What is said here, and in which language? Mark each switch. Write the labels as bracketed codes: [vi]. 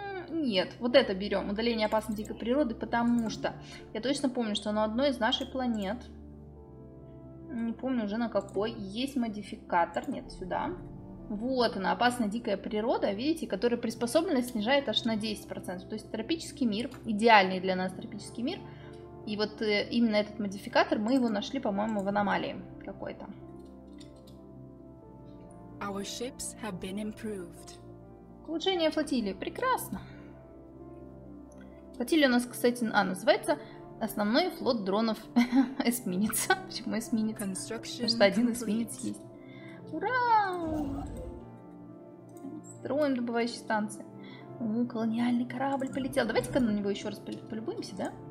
[ru] Нет, вот это берем. Удаление опасной дикой природы, потому что я точно помню, что на одной из наших планет, не помню уже на какой, есть модификатор. Нет, сюда. Вот она, опасная дикая природа, видите, которая приспособленность снижает аж на 10%. То есть тропический мир, идеальный для нас тропический мир. И вот именно этот модификатор мы его нашли, по-моему, в аномалии какой-то. [en] Our ships have been improved. [ru] Улучшение флотилии. Прекрасно. Флотилия у нас, кстати, называется основной флот дронов эсминец. Почему эсминец? Потому что один эсминец есть. Ура! Строим добывающие станции. Колониальный корабль полетел. Давайте-ка на него еще раз полюбуемся, да?